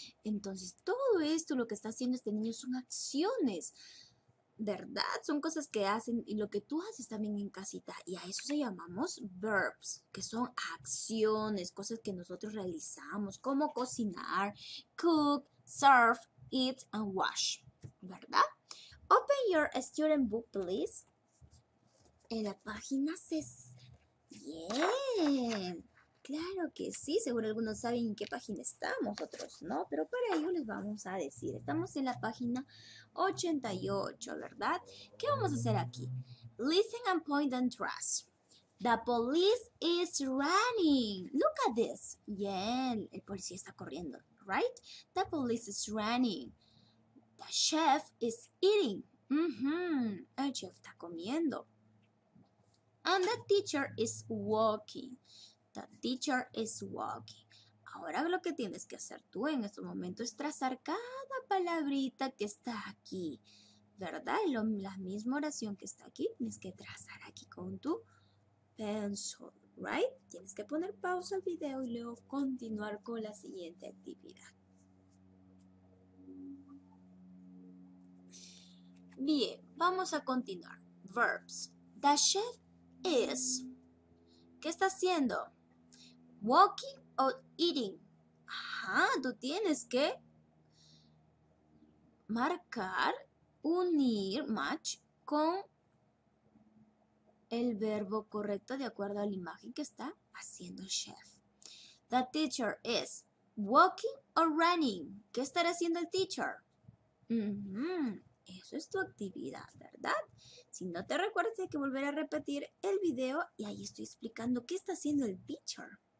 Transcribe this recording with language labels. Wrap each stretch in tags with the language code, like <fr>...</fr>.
<es>Entonces, todo esto lo que está haciendo este niño son acciones, ¿verdad? Son cosas que hacen y lo que tú haces también en casita. Y a eso se llamamos verbs, que son acciones, cosas que nosotros realizamos, como cocinar,</es> <en>cook, serve, eat, and wash,</en> <es>¿verdad?</es> <en>Open your student book, please.</en> <es>En la página 6. Bien. Claro que sí, seguro algunos saben en qué página estamos, otros no, pero para ello les vamos a decir. Estamos en la página 88, ¿verdad? ¿Qué vamos a hacer aquí?</es> <en>Listen and point and trace. The police is running. Look at this.</en> <es>Bien, el policía está corriendo, right?</es> <en>The police is running. The chef is eating.</en> <es>El chef está comiendo.</es> <en>And the teacher is walking. The teacher is walking.</en> <es>Ahora lo que tienes que hacer tú en este momento es trazar cada palabrita que está aquí, ¿verdad? La misma oración que está aquí, tienes que trazar aquí con tu pencil, ¿right? Tienes que poner pausa al video y luego continuar con la siguiente actividad. Bien, vamos a continuar.</es> <en>Verbs. The chef is.</en> <es>¿Qué está haciendo?</es> <en>Walking o eating.</en> <es>Ajá, tú tienes que marcar, unir, match con el verbo correcto de acuerdo a la imagen que está haciendo el chef.</es> <en>The teacher is walking o running.</en> <es>¿Qué estará haciendo el teacher? Eso es tu actividad, ¿verdad? Si no te recuerdas, hay que volver a repetir el video y ahí estoy explicando qué está haciendo el teacher.</es>